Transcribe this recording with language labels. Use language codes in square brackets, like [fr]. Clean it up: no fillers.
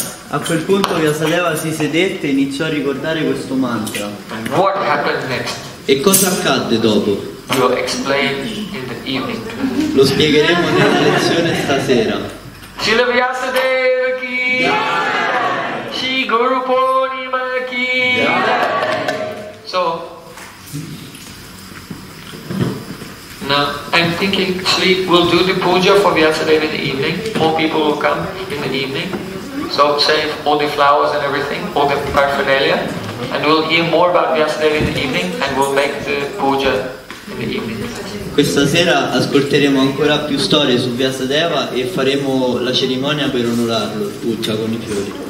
[it] A quel punto Vyasadeva si sedette e iniziò a ricordare questo mantra. [en] And what happened next? [it] E cosa accadde dopo? [en] We'll explain in the evening. [it] Lo spiegheremo nella lezione stasera. [hi] Srila Vyasadeva ki jai. Shri Guru Purnima ki jai. So [en] thinking, see, we'll do the puja for Vyasadeva in the evening. More people will come in the evening. So save all the flowers and everything, all the paraphernalia. And we'll hear more about Vyasadeva in the evening and we'll make the puja in the evening. [it] Questa sera ascolteremo ancora più storie su Vyasadeva e faremo la cerimonia per onorarlo, il puja con i fiori.